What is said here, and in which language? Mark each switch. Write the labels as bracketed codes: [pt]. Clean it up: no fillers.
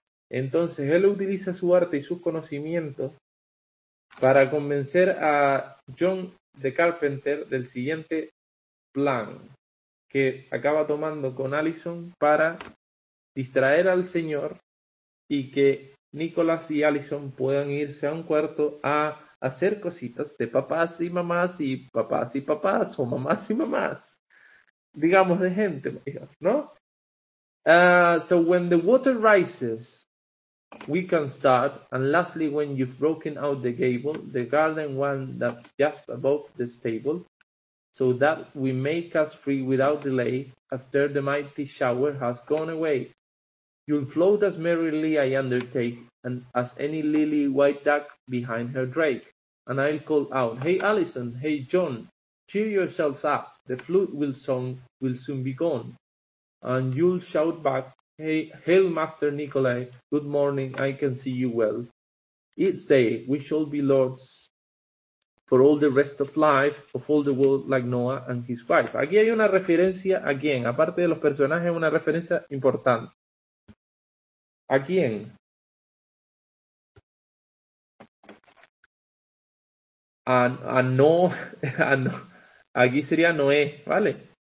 [es] Entonces, él utiliza su arte y sus conocimientos para convencer a John the Carpenter del siguiente plan que acaba tomando con Allison para distraer al señor y que Nicolás y Allison puedan irse a un cuarto a hacer cositas de papás y mamás y papás y papás o mamás y mamás. Digamos de gente, ¿no? [en] So when the water rises, we can start. And lastly, when you've broken out the gable, the garden one that's just above the stable, so that we make us free without delay after the mighty shower has gone away. You'll float as merrily, I undertake, and as any lily white duck behind her drake. And I'll call out, hey Allison, hey John, cheer yourselves up, the flute will soon be gone. And you'll shout back, hey, hail Master Nicolai, good morning, I can see you well. It's day, we shall be lords for all the rest of life of all the world like Noah and his wife. [es] Aquí hay una referencia a quién, aparte de los personajes, una referencia importante. ¿A quién? Aquí sería Noé, ¿vale?